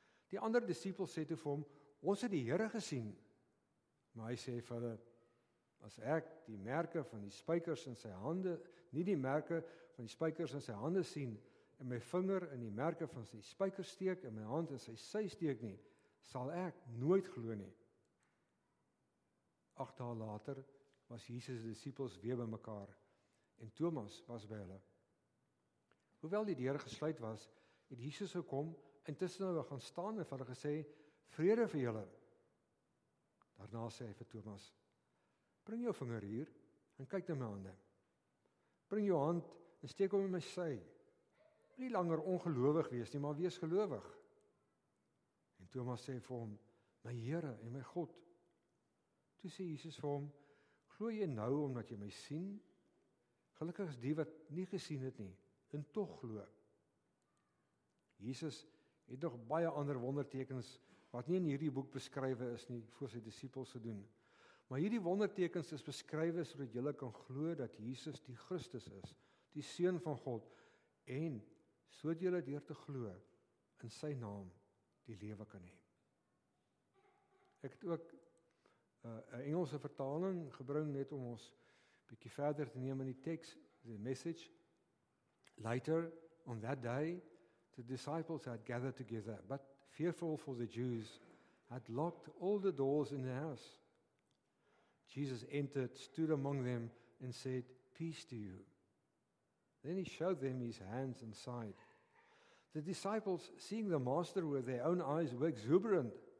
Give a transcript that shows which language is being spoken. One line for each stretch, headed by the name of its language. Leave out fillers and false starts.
Afrikaans: Die ander disciples sê toe vir hom, ons het die Here gesien. Maar hy sê vir hulle, as ek die merke van die spykers in sy hande, nie die merke van die spykers in sy hande sien, en my vinger in die merke van sy spykers steek, en my hand in sy sy steek nie, sal ek nooit glo nie. 8 dae later was Jesus' disciples weer by mekaar, en Thomas was by hulle. Hoewel die deur gesluit was, het Jesus gekom, en tussen hulle gaan staan en vir hulle gesê, vrede vir julle. Daarna sê hy vir Thomas, bring jou vinger hier, en kyk na my hande. Bring jou hand, en steek hom in my sy. Nie langer ongelowig wees nie, maar wees gelowig. En Thomas sê vir hom, my Here en my God. Toe sê Jesus vir hom, glo jy nou, omdat jy my sien? Gelukkig is die wat nie gesien het nie, en toch glo. Jesus het nog baie ander wondertekens, wat nie in hierdie boek beskrywe is nie, voor sy disciples te doen. Maar hierdie wondertekens is beskrywe, sodat julle kan glo dat Jesus die Christus is, die Seun van God, en sodat julle deur te glo, in sy naam die lewe kan hê. Ek het ook 'n Engelse vertaling gebring, net om ons bietjie verder te neem in die tekst, die message.
English: Later, on that day, the disciples had gathered together, but fearful for the Jews, had locked all the doors in the house. Jesus entered, stood among them, and said, peace to you. Then he showed them his hands and side. The disciples, seeing the master with their own eyes, were exuberant.